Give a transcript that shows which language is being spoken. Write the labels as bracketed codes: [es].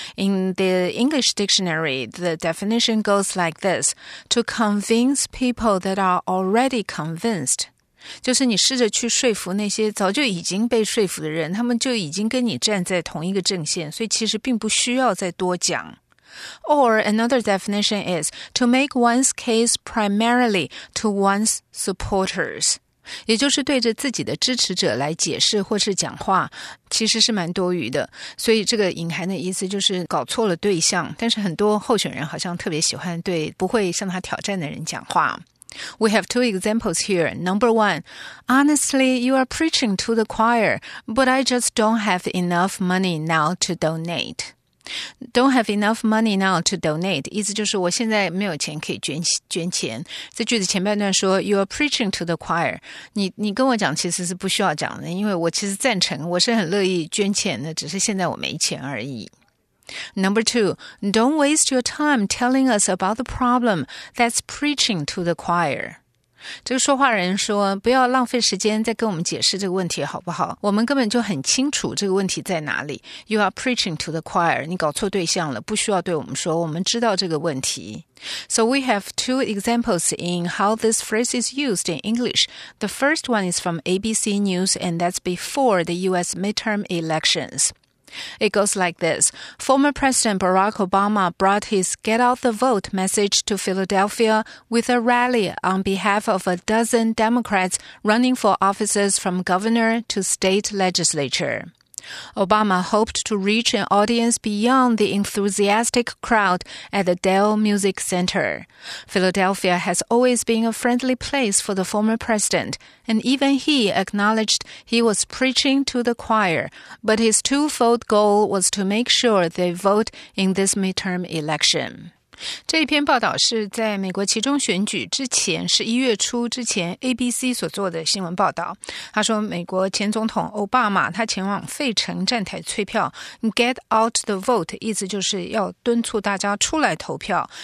[en] In the English dictionary, the definition goes like this: to convince people that are already convinced. [zh] 就是你试着去说服那些早就已经被说服的人，他们就已经跟你站在同一个阵线，所以其实并不需要再多讲。 [en] Or another definition is to make one's case primarily to one's supporters. [zh] 也就是对着自己的支持者来解释或是讲话，其实是蛮多余的。所以这个隐含的意思就是搞错了对象，但是很多候选人好像特别喜欢对不会向他挑战的人讲话。 [en] We have two examples here. Number one, honestly, you are preaching to the choir, but I just don't have enough money now to donate. Don't have enough money now to donate, [zh] 意思就是我现在没有钱可以捐钱。这句子前半段说 [en] you are preaching to the choir. [zh] 你跟我讲其实是不需要讲的，因为我其实赞成，我是很乐意捐钱的，只是现在我没钱而已。 [en] Number two, don't waste your time telling us about the problem. That's preaching to the choir. [zh] 这个说话人说，不要浪费时间再跟我们解释这个问题好不好？我们根本就很清楚这个问题在哪里。 [en] You are preaching to the choir. [zh] 你搞错对象了，不需要对我们说，我们知道这个问题。 [en] So we have two examples in how this phrase is used in English. The first one is from ABC News, and that's before the US midterm elections. It goes like this. Former President Barack Obama brought his Get Out the Vote message to Philadelphia with a rally on behalf of a dozen Democrats running for offices from governor to state legislature. Obama hoped to reach an audience beyond the enthusiastic crowd at the Dell Music Center. Philadelphia has always been a friendly place for the former president, and even he acknowledged he was preaching to the choir, but his twofold goal was to make sure they vote in this midterm election. [zh] 这一篇报道是在美国其中选举之前11月初之前 ABC 所做的新闻报道。他说美国前总统奥巴马他前往费城站台催票 [en] Get out the vote, [zh] 意思就是要敦促大家出来投票。